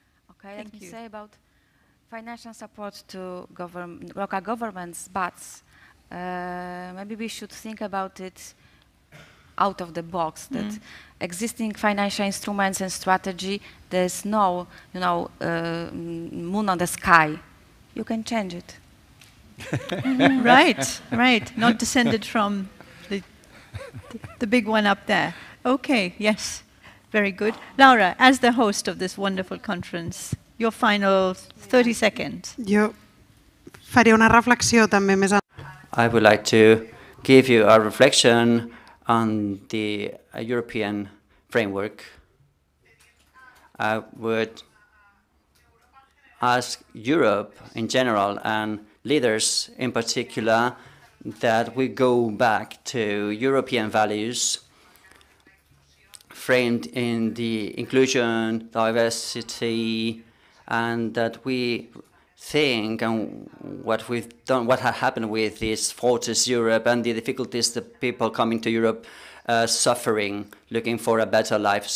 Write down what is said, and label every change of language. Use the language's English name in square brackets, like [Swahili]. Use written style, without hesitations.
[English] Okay, thank you. I can say about financial support to local governments, but maybe we should think about it out of the box, that existing financial instruments and strategy, there's no moon on the sky. You can change it. right, not descended from the big one up there. Okay, yes, very good. Laura, as the host of this wonderful conference, your final 30 seconds. [Catalan] Jo faré una reflexió també més. [English] I would like to give you a reflection on the European framework. I would ask Europe in general and leaders in particular, that we go back to European values framed in the inclusion, diversity, and that we think and what we've done, what has happened with this fortress Europe and the difficulties that people coming to Europe suffering, looking for a better life.